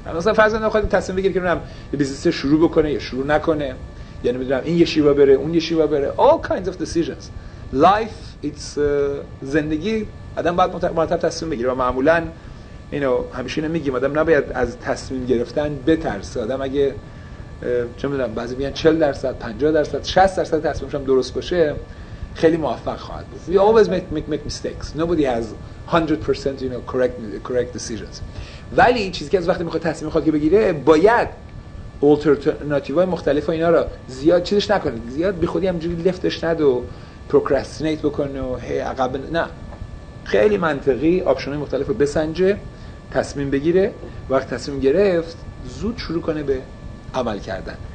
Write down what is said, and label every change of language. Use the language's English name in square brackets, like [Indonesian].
[Persian] مثلا فرض کنید خودت تصمیم بگیری که یه بیزنس شروع بکنه یا شروع نکنه، یعنی میدونم این یه شیوا بره اون یه شیوا بره، [English] all kinds of decisions life it's [Persian] زندگی. آدم باید مرتب تصمیم بگیره و معمولا اینو همیشه نمیگیم، آدم نباید از تصمیم گرفتن بترسه. آدم اگه چه میدونم بعضی میگن 40%، 50%، 60% تصمیمش هم درست باشه خیلی موفق خواهد بود. [English] We always make mistakes. Nobody has 100% you know correct decisions. [Persian] ولی چیزی که از وقتی میخواد تصمیم خود که بگیره باید alternative‌های مختلف و اینا رو زیاد چیزش نکنه. زیاد بی خودی همجوری لفتش ند و procrastinate بکنه و عقب نه. خیلی منطقی آپشن‌های مختلف رو بسنجه، تصمیم بگیره، وقت تصمیم گرفت زود شروع کنه به عمل کردن.